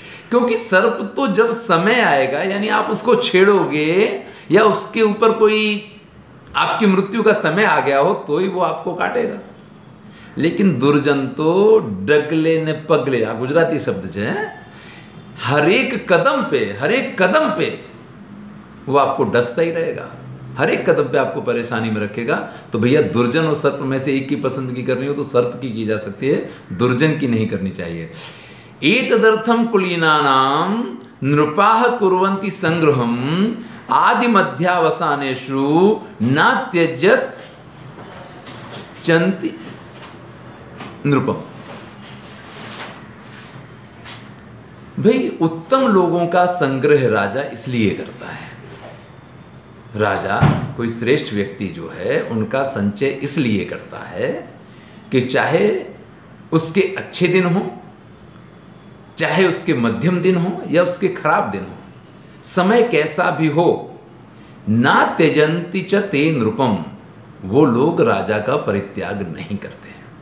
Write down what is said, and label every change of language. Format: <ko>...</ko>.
<hi>क्योंकि सर्प तो जब समय आएगा यानी आप उसको छेड़ोगे या उसके ऊपर कोई आपकी मृत्यु का समय आ गया हो तो ही वो आपको काटेगा, लेकिन दुर्जन तो</hi> <gu>डगले ने पगले,</gu> <hi>आप गुजराती शब्द जो है, हर एक कदम पे वो आपको डसता ही रहेगा, हर एक कदम पे आपको परेशानी में रखेगा। तो भैया दुर्जन और सर्प में से एक की पसंदगी करनी हो तो सर्प की जा सकती है, दुर्जन की नहीं करनी चाहिए।</hi> <sa>एतदर्थं कुलीनानां नृपाः कुर्वन्ति संग्रहं आदि मध्यावसानेषु न त्यज्यत चन्ति नृपम्।</sa> <hi>भाई उत्तम लोगों का संग्रह राजा इसलिए करता है, राजा कोई श्रेष्ठ व्यक्ति जो है उनका संचय इसलिए करता है कि चाहे उसके अच्छे दिन हों, चाहे उसके मध्यम दिन हो या उसके खराब दिन हो, समय कैसा भी हो,</hi> <sa>ना त्यजन्ति च ते नृपम्,</sa> <hi>वो लोग राजा का परित्याग नहीं करते।</hi>